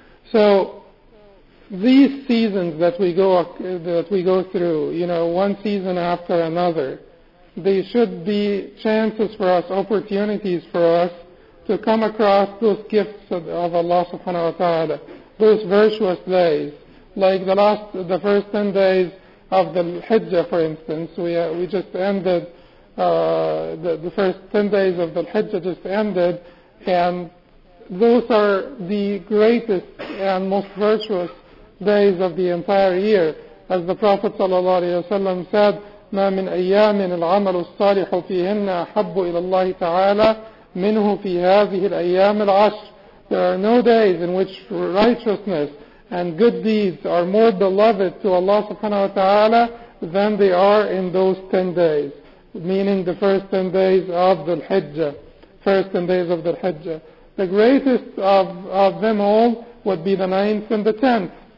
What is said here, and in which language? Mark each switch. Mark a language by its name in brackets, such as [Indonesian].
[English] So these seasons that we go through, you know, one season after another, they should be chances for us, opportunities for us to come across those gifts of Allah subhanahu wa ta'ala, those virtuous days, like the first 10 days of the Hijjah, for instance. We just ended the first 10 days of the Hijjah just ended, and those are the greatest and most virtuous days of the entire year. As the Prophet sallallahu alaihi wasallam said, [Arabic] مَا مِنْ أَيَّامٍ الْعَمَلُ الصَّالِحُ فِيهِنَّ أَحَبُّ إِلَى اللَّهِ تَعَالَى مِنْهُ فِي هَذِهِ الْأَيَّامِ الْعَشْرِ. [English] There are no days in which righteousness and good deeds are more beloved to Allah subhanahu wa ta'ala than they are in those 10 days, meaning the first 10 days of the Hijjah. First 10 days of the Hijjah. The greatest of them all would be the 9th and the 10th.